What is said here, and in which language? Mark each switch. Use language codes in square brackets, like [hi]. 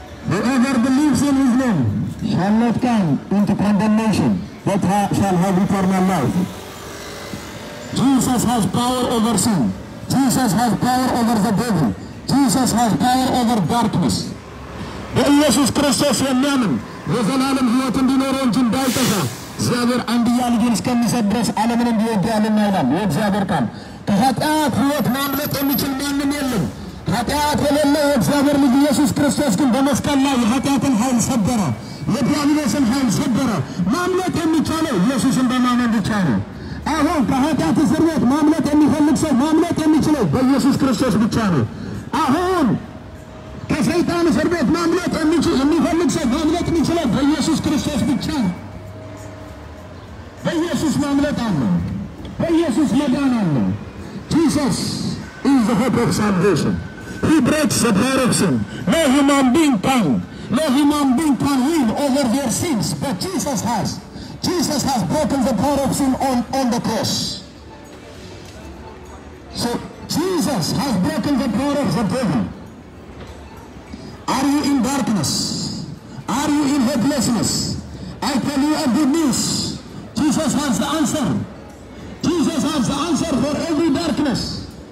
[en] Whoever believes in his name shall not come into condemnation, but shall have eternal life. Jesus has power over sin. Jesus has power over the devil. Jesus has power over darkness. [am] በኢየሱስ ክርስቶስ የሚያምን የዘላለም ሕይወት እንዲኖረው እንጂ እንዳይጠፋ እግዚአብሔር አንድያ ልጁን እስከሚሰጥ ድረስ ዓለምን እንዲወድልና ይላል የእግዚአብሔር ቃል። ከኃጢአት ሕይወት ማምለጥ የሚችል ማንም የለም። ኃጢአት የሌለው የእግዚአብሔር ልጅ ኢየሱስ ክርስቶስ ግን በመስቀል ላይ የኃጢአትን ኃይል ሰበረ፣ የዲያብሎስን ኃይል ሰበረ። ማምለጥ የሚቻለው ኢየሱስን በማመን ብቻ ነው። አሁን ከኃጢአት እስር ቤት ማምለጥ የሚፈልግ ሰው ማምለጥ የሚችለው በኢየሱስ ክርስቶስ ብቻ ነው። አሁን ከሰይጣን እስር ቤት ማምለጥ የሚፈልግ ሰው ማምለጥ የሚችለው በኢየሱስ ክርስቶስ ብቻ ነው። በኢየሱስ ማምለጥ አለ። በኢየሱስ መዳን አለ። [en] ጂሰስ ኢዝ ዘ ሆፕ ኦፍ ሳልቬሽን። ሂ ብሬክስ ዘ ፓወር ኦፍ ሲን። ኖ ሂውማን ቢንግ ካን ዊን ኦቨር ዘር ሲንስ በት ጂሰስ ሃዝ broken the power of sin on the cross. So Jesus has broken the power of the devil. Are you in darkness? Are you in hopelessness? I tell you a good news. Jesus has the answer. Jesus has the answer for every darkness.